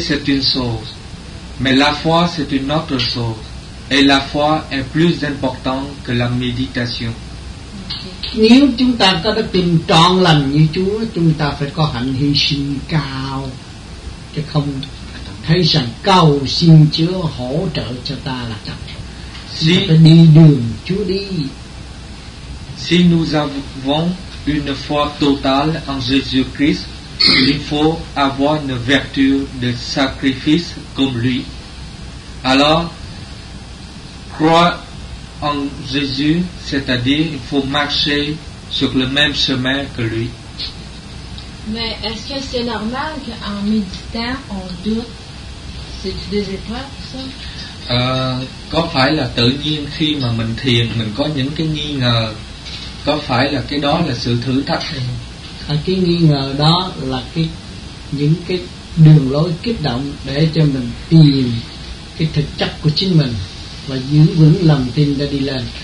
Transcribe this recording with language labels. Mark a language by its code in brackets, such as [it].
[fr] c'est une chose, mais la foi, c'est une autre chose, et la foi est plus importante que la méditation. [vi] Nếu chúng ta có đức tin trọn lành như Chúa, chúng ta phải có hạnh hy sinh cao, chứ không thấy rằng cầu xin Chúa hỗ trợ cho ta là chắc. Chúng ta phải đi đường Chúa đi. [fr] Si nous avons une foi totale en Jésus-Christ, il faut avoir une vertu de sacrifice comme lui. Alors, croire en Jésus, c'est-à-dire il faut marcher sur le même chemin que lui. Mais est-ce que c'est normal qu'en méditant, on doute? C'est-tu des épreuves, ça? [vi] Có phải là tự nhiên khi mà mình thiền, mình có những cái nghi ngờ? Có phải là cái đó là sự thử thách hay không? Cái nghi ngờ đó là những cái đường lối kích động để cho mình tìm cái thực chất của chính mình và giữ vững lòng tin để đi lên.